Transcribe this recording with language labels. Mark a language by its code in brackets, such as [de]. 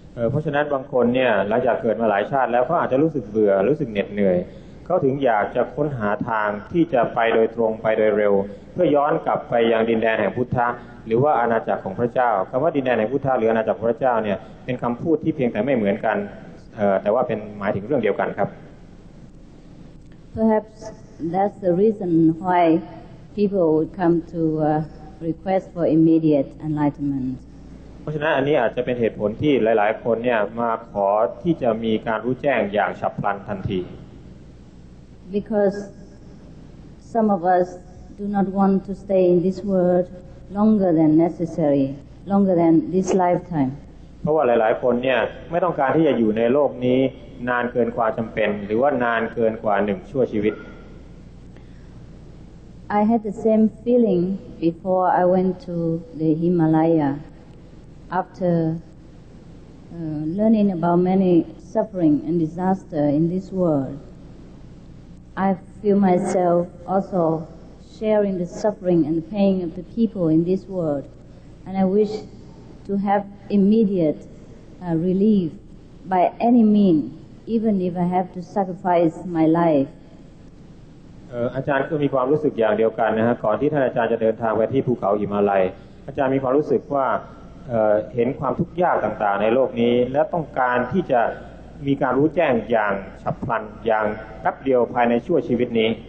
[th] เพราะฉะนั้นบางคนเนี่ยหลังจากเกิดมาหลายชาติแล้วเขาอาจจะรู้สึกเบื่อรู้สึกเหน็ดเหนื่อยเขาถึงอยากจะค้นหาทางที่จะไปโดยตรงไปโดยเร็วเพื่อย้อนกลับไปยังดินแดนแห่งพุทธะหรือว่าอาณาจักรของพระเจ้าคำว่าดินแดนแห่งพุทธะหรืออาณาจักรพระเจ้าเนี่ยเป็นคำพูดที่เพียงแต่ไม่เหมือนกันแต่ว่าเป็นหมายถึงเรื่องเดียวกันครับ [en] Perhaps that's the reason why people would come to request for immediate enlightenment [th] เพราะฉะนั้นอันนี้อาจจะเป็นเหตุผลที่หลายๆคนเนี่ยมาขอที่จะมีการรู้แจ้งอย่างฉับพลันทันที [en] Because some of us do not want to stay in this world longer than necessary, longer than this lifetime. [th] เพราะว่าหลายๆคนเนี่ยไม่ต้องการที่จะอยู่ในโลกนี้นานเกินกว่าจำเป็นหรือว่านานเกินกว่าหนึ่งชั่วชีวิต [en] I had the same feeling before I went to the Himalaya. After learning about many suffering and disaster in this world. I feel myself also sharing the suffering and the pain of the people in this world, and I wish to have immediate relief by any means, even if I have to sacrifice my life. [th] อาจารย์ก็มีความรู้สึกอย่างเดียวกันนะฮะก่อนที่ท่านอาจารย์จะเดินทางไปที่ภูเขาหิมาลัยอาจารย์มีความรู้สึกว่าเห็นความทุกข์ยากต่างๆในโลกนี้และต้องการที่จะมีการรู้แจ้งอย่างฉับพลันอย่างแป๊บเดียวภายในชั่วชีวิตนี